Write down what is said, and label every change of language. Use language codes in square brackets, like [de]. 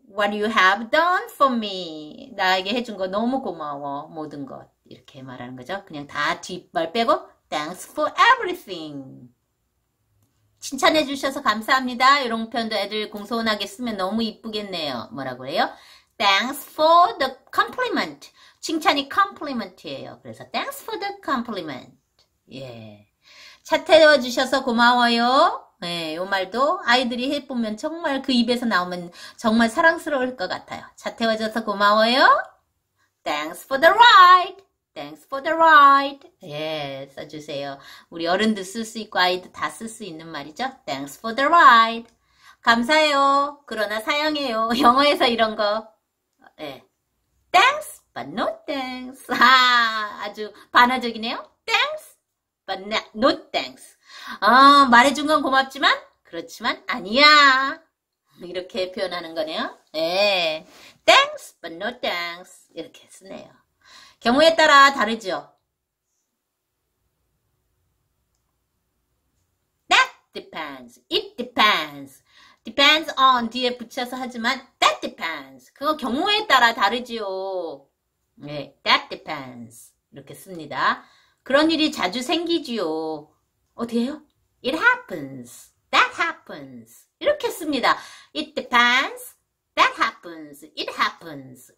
[en] What you have done for me. [ko] 나에게 해준 거 너무 고마워. 모든 것. 이렇게 말하는 거죠. 그냥 다 뒷말 빼고. [en] Thanks for everything. [ko] 칭찬해 주셔서 감사합니다. 이런 표현도 애들 공손하게 쓰면 너무 이쁘겠네요. 뭐라고 해요? [en] Thanks for the compliment. [ko] 칭찬이 compliment예요. 그래서 [en] thanks for the compliment. [ko] 예. 차 태워 주셔서 고마워요. 예, 요 말도 아이들이 해보면 정말 그 입에서 나오면 정말 사랑스러울 것 같아요. 차 태워 줘서 고마워요. [en] Thanks for the ride. Thanks for the ride. [ko] 예, 써주세요. 우리 어른도 쓸수 있고 아이도 다쓸수 있는 말이죠. [en] Thanks for the ride. [ko] 감사해요. 그러나 사양해요. 영어에서 이런 거. 예. [en] Thanks, but no thanks. [ko] 아, 아주 반어적이네요. [en] Thanks, but no thanks. [ko] 말해준 건 고맙지만, 그렇지만 아니야. 이렇게 표현하는 거네요. 예. [en] Thanks, but no thanks. [ko] 이렇게 쓰네요. 경우에 따라 다르죠? [en] That depends. It depends. Depends on [ko] 뒤에 붙여서 하지만 [en] that depends. [ko] 그거 경우에 따라 다르지요. 네, [en] that depends. [ko] 이렇게 씁니다. 그런 일이 자주 생기지요. 어떻게 해요? [en] It happens. That happens. [ko] 이렇게 씁니다. [en] It depends. That happens. It happens.